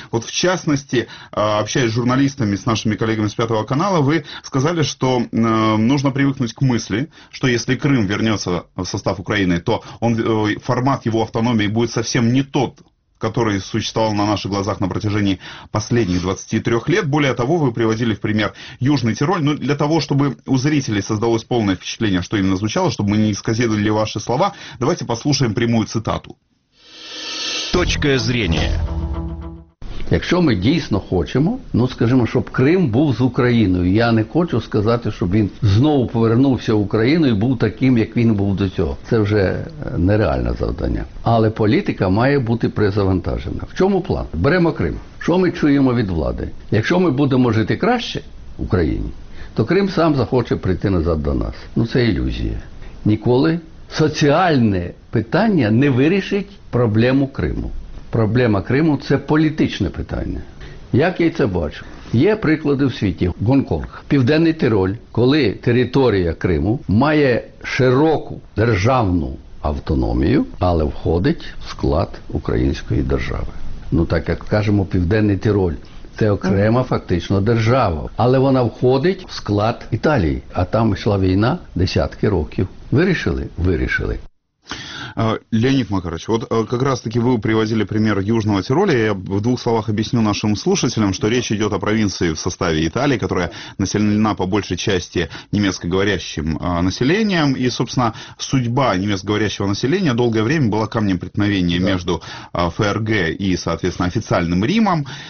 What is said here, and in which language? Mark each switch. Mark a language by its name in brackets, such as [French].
[Russian] Вот в частности, общаясь с журналистами, с нашими коллегами с Пятого канала, вы сказали, что нужно привыкнуть к мысли, что если Крым вернется в состав Украины, то он, формат его автономии будет совсем не тот, который существовал на наших глазах на протяжении последних 23 лет. Более того, вы приводили в пример Южный Тироль. Но для того, чтобы у зрителей создалось полное впечатление, что именно звучало, чтобы мы не исказили ваши слова, давайте послушаем прямую цитату. Точка зрения. [Ukrainian] Якщо ми дійсно хочемо, ну скажімо, щоб Крим був з Україною, я не хочу сказати, щоб він знову повернувся в Україну і був таким, як він був до цього. Це вже нереальне завдання. Але політика має бути перезавантажена. В чому план? Беремо Крим. Що ми чуємо від влади? Якщо ми будемо жити краще в Україні, то Крим сам захоче прийти назад до нас. Ну це ілюзія. Ніколи соціальне питання не вирішить проблему Криму. Проблема Криму – це політичне питання. Як я це бачу? Є приклади в світі. Гонконг, Південний Тироль, коли територія Криму має широку державну автономію, але входить в склад української держави. Ну, так як кажемо, Південний Тироль – це окрема фактично держава, але вона входить в склад Італії, а там йшла війна десятки років. Вирішили? Вирішили. [Russian] Леонид Макарович, вот как раз-таки вы привозили пример Южного Тироля. Я в двух словах объясню нашим слушателям, что речь идет о провинции в составе Италии, которая населена по большей части немецкоговорящим населением. И, собственно, судьба немецкоговорящего населения долгое время была камнем преткновения между ФРГ и, соответственно, официальным Римом.